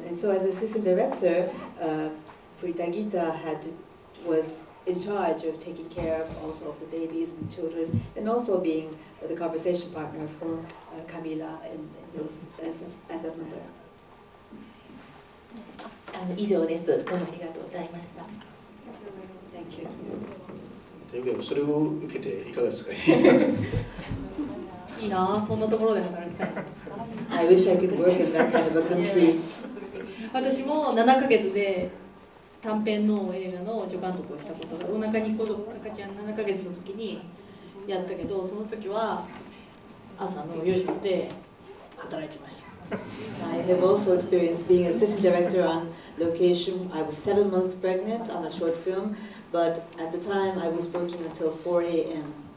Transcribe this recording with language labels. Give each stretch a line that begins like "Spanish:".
English: And so, as assistant director, Pritagita was in charge of taking care of also of the babies and children, and also being the conversation partner for Kamila and those as a mother.
Japanese: 以上です。どうもありがとうございました。
English: Thank you.
Japanese: それを受けていかがですか。いいなそんなところで働きたい。
English: I wish I could work in that kind of a country. Yeah.
Japanese: 私も7ヶ月で短編の映画の助監督をしたことがお腹に子供赤ちゃん7ヶ月の時にやったけどその時は朝の4時まで働いてました。
English: I have also experienced being assistant director on location. I was 7 months pregnant on a short film, but at the time I was working until 4 a.m.